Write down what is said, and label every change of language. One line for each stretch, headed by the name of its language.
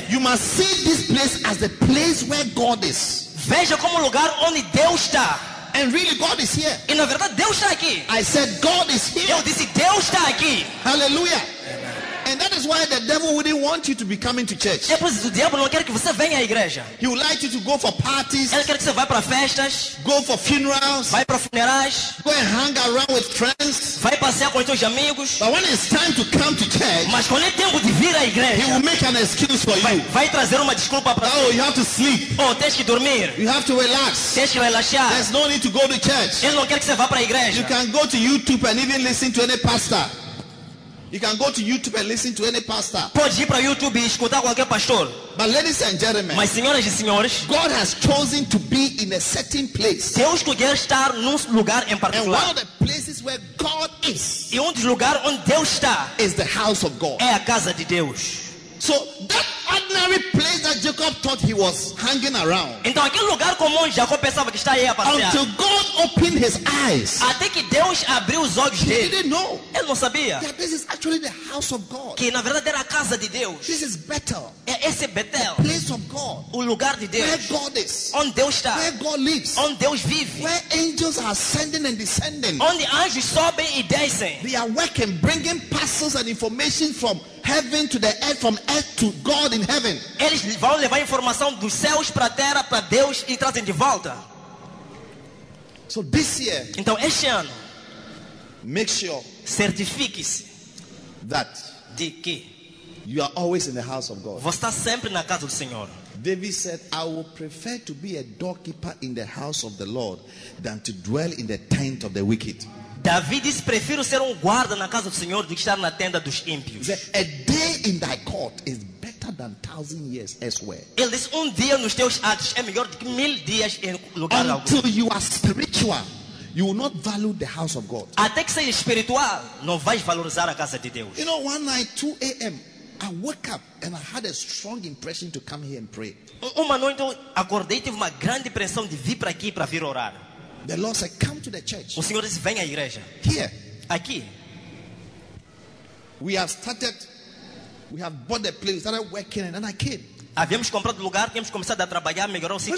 English: You must see this place as the place where God is.
Portuguese: Veja como lugar onde Deus está.
English: And really, God is here.
Portuguese: E na verdade, Deus está aqui.
English: I said, God is here.
Portuguese: Eu disse, Deus está aqui.
English: Hallelujah. And that is why the devil wouldn't want you to be coming to church.
Portuguese: É por isso que o diabo não quer que você venha à igreja.
English: He would like you to go for parties.
Portuguese: Ele quer que você vá para festas.
English: Go for funerals.
Portuguese: Vai para funerais.
English: Go and hang around with friends.
Portuguese: Vai passear com os teus amigos.
English: But when it's time to come to church,
Portuguese: mas quando é tempo de vir à igreja,
English: he will make an excuse for you.
Portuguese: Vai trazer uma desculpa para
English: você. Oh, you have to sleep.
Portuguese: Oh, tens que dormir.
English: You have to relax.
Portuguese: Tens que relaxar.
English: There's no need to go to church.
Portuguese: Ele não quer que você vá para a igreja.
English: You can go to YouTube and even listen to any pastor. You can go to YouTube and listen to any pastor.
Portuguese: Pode ir para YouTube e escutar qualquer pastor.
English: But ladies and gentlemen,
Portuguese: mas senhoras e senhores,
English: God has chosen to be in a certain place.
Portuguese: Deus escolheu estar num lugar em particular.
English: And one of the places where God is.
Portuguese: E dos lugares onde Deus está.
English: Is the house of God.
Portuguese: É a casa de Deus.
English: So that ordinary place that Jacob thought he was hanging around.
Portuguese: Então aquele lugar comum Jacó pensava que estava aí a passear.
English: Until God opened his eyes.
Portuguese: Até que Deus abriu os olhos dele.
English: He didn't know.
Portuguese: Ele não sabia.
English: That this is actually the house of God.
Portuguese: Que na verdade era a casa de Deus.
English: This is Bethel.
Portuguese: É esse Bethel.
English: The place of God.
Portuguese: O lugar de Deus.
English: Where God is.
Portuguese: Onde Deus está.
English: Where God lives.
Portuguese: Onde Deus vive.
English: Where angels are ascending and descending.
Portuguese: Onde anjos sobem e descem.
English: They are working, bringing parcels and information from heaven to the earth, from earth to God in heaven.
Portuguese: Eles vão levar informação dos céus para a terra para Deus e trazem de volta.
English: So this year,
Portuguese: então este ano,
English: make sure
Portuguese: certifique-se
English: that
Portuguese: de que
English: You are always in the house of God.
Portuguese: Você está sempre na casa do Senhor.
English: David said, I would prefer to be a doorkeeper in the house of the Lord than to dwell in the tent of the wicked.
Portuguese: David disse, prefiro ser guarda na casa do Senhor do que estar na tenda dos ímpios.
English: A day in thy court is better than 1,000 years elsewhere.
Portuguese: Ele disse, dia nos teus atos é melhor do que 1,000 dias em lugar algum.
English: Until you are spiritual, you will not value the house of God.
Portuguese: Até que seja espiritual, não vais valorizar a casa de Deus.
English: You know, one night, 2 a.m., I woke up and I had a strong impression to come here and pray.
Portuguese: Uma noite, acordei e tive uma grande impressão de vir para aqui para vir orar.
English: The Lord said, come to the church.
Portuguese: O Senhor disse, vem à igreja.
English: Here.
Portuguese: Aqui.
English: We have started, we have bought the place, started working, and then I came.
Portuguese: Havíamos comprado o lugar, tínhamos começado a trabalhar, melhorar o sítio.